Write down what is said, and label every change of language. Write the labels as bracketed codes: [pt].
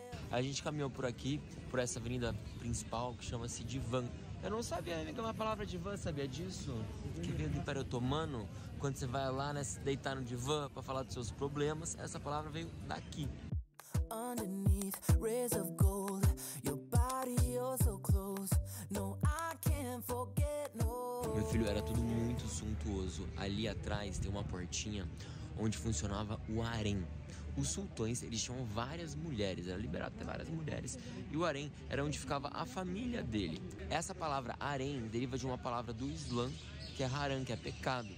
[pt] A gente caminhou por aqui, por essa avenida principal que chama-se Divan. Eu não sabia, amiga, uma palavra divan, sabia disso? Que veio do Império Otomano, quando você vai lá, né, se deitar no divan pra falar dos seus problemas, essa palavra veio daqui. [en] Underneath rays of gold, your body you're so close. No, I can't forget, no. [pt] Meu filho, era tudo muito suntuoso. Ali atrás tem uma portinha onde funcionava o harém. Os sultões, eles tinham várias mulheres, era liberado ter várias mulheres. E o harém era onde ficava a família dele. Essa palavra harém deriva de uma palavra do Islã, que é haram, que é pecado.